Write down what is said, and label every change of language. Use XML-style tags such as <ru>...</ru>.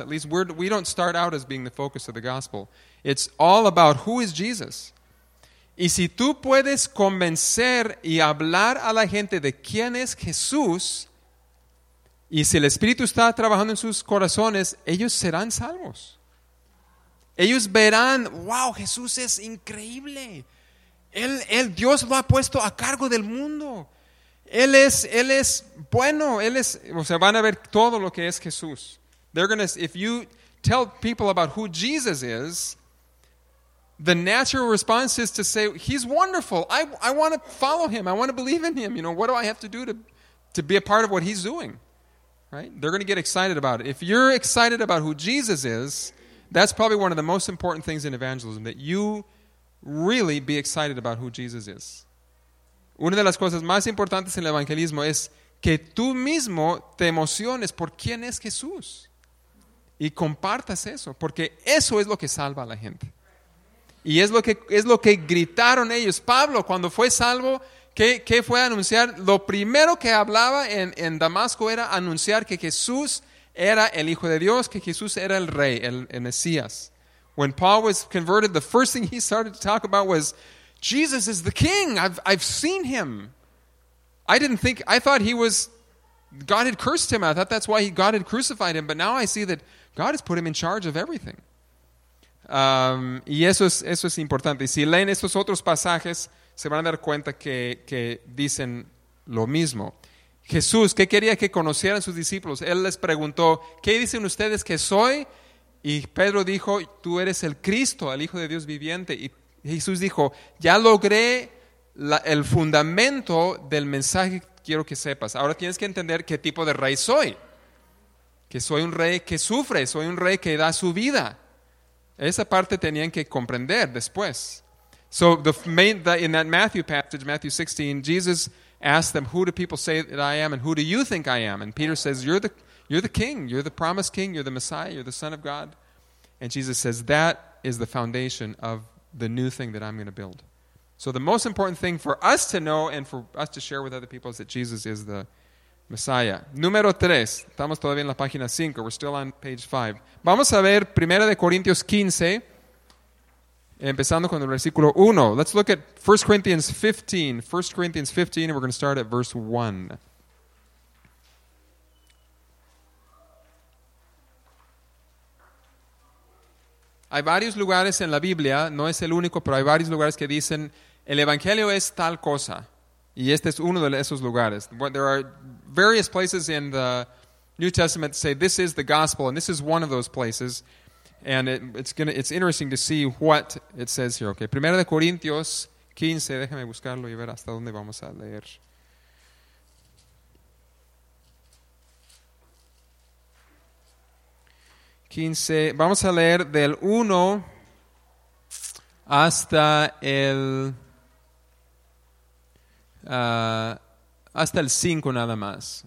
<en>At least we don't start out as being the focus of the Gospel. It's all about who is Jesus.</en> <es>Y si tú puedes convencer y hablar a la gente de quién es Jesús, y si el Espíritu está trabajando en sus corazones, ellos serán salvos. Ellos verán, wow, Jesús es increíble. Él Dios lo ha puesto a cargo del mundo. Él es bueno, o sea, van a ver todo lo que es Jesús.</es> <en>If you tell people about who Jesus is, the natural response is to say, he's wonderful, I want to follow him, I want to believe in him, you know, what do I have to do to be a part of what he's doing, right? They're going to get excited about it. If you're excited about who Jesus is, that's probably one of the most important things in evangelism, that you really be excited about who Jesus is.</en> <es>Una de las cosas más importantes en el evangelismo es que tú mismo te emociones por quién es Jesús y compartas eso, porque eso es lo que salva a la gente. Y es lo que gritaron ellos. Pablo, cuando fue salvo, ¿qué fue a anunciar? Lo primero que hablaba en Damasco era anunciar que Jesús era el Hijo de Dios, que Jesús era el Rey, el Mesías.</es> <en>When Paul was converted, the first thing he started to talk about was Jesus is the king. I've seen him. I thought he was, God had cursed him. I thought that's why God had crucified him. But now I see that God has put him in charge of everything.</en> <es>Y eso es importante. Y si leen estos otros pasajes, se van a dar cuenta que dicen lo mismo. Jesús, ¿qué quería que conocieran sus discípulos? Él les preguntó, ¿qué dicen ustedes que soy? Y Pedro dijo, tú eres el Cristo, el Hijo de Dios viviente. Y Jesús dijo, ya logré el fundamento del mensaje que quiero que sepas. Ahora tienes que entender qué tipo de rey soy. Que soy un rey que sufre, soy un rey que da su vida. Esa parte tenían que comprender después.</es> <en>So in that Matthew passage, Matthew 16, Jesus asked them, who do people say that I am and who do you think I am? And Peter says, you're the king, you're the promised king, you're the Messiah, you're the Son of God. And Jesus says, that is the foundation of the new thing that I'm going to build. So the most important thing for us to know and for us to share with other people is that Jesus is the Messiah.</en> <es>Número tres. Estamos todavía en la página cinco.</es> <en>We're still on page five.</en> <es>Vamos a ver Primera de Corintios 15, empezando con el versículo 1.</es> <en>Let's look at 1 Corinthians 15. 1 Corinthians 15, and we're going to start at verse 1.</en> <es>Hay varios lugares en la Biblia, no es el único, pero hay varios lugares que dicen el Evangelio es tal cosa. Y este es uno de esos lugares.</es> <en>There are various places in the New Testament that say this is the gospel, and this is one of those places. And it's interesting to see what it says here.</en> <es>Okay, Primera de Corintios 15, déjame buscarlo y ver hasta dónde vamos a leer. Vamos a leer del 1 hasta el 5 nada más.</es>